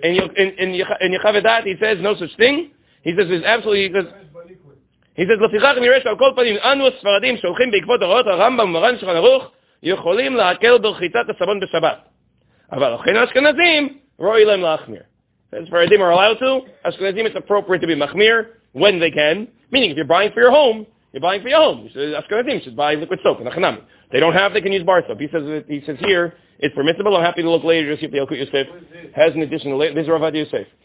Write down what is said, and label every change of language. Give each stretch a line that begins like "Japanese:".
English: In Yechavedat, he says, no such thing. He says, there's absolutely... He says,
Hebrew: לפיכך נראה שעל כל פנים, אנו הספרדים שהולכים בעקבות הוראות הרמב״ם ומרן שולחן ערוך, יכולים להקל ברחיצת הסבון בשבת. אבל אחינו אשכנזים, רואי להם להחמיר.
English: הספרדים are allowed to, אשכנזים it's appropriate to be מחמיר, when they can, meaning if you're buying for your home, you're buying for your home. אשכנזים should buy liquid soap, נחנם. They don't have, they can use bar soap. He says here, it's permissible. I'm happy to look later to see if the Elkut Yosef has an additional, this is Rav Adi Yosef.